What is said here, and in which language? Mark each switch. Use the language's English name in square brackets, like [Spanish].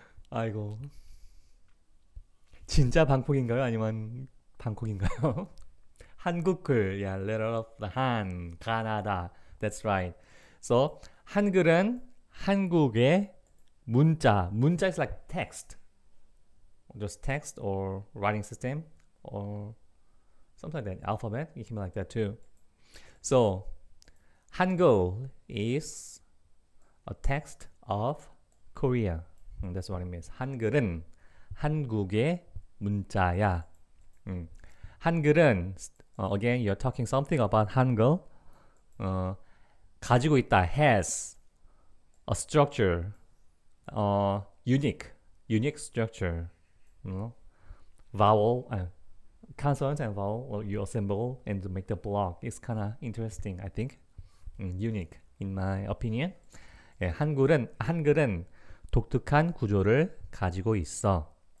[Korean] 아이고, 진짜 방콕인가요? 아니면 방콕인가요? [English] 한국글, yeah, letter of the Han, 가나다. That's right. [Korean] So, 한글은 한국의 문자. [English] 문자 is like text. Just text or writing system or something like that. Alphabet, it can be like that too. So, 한글 is a text of Korea. That's what it means. [Korean] 한글은 한국의 문자야. [English] 한글은, again, you're talking something about 한글. [Korean] 가지고 있다, [English] has a structure, unique structure, vowel, consonant and vowel, you assemble and make the block. It's kind of interesting, I think. Unique, in my opinion. [Korean] 예, 한글은 독특한 구조를 가지고 있어.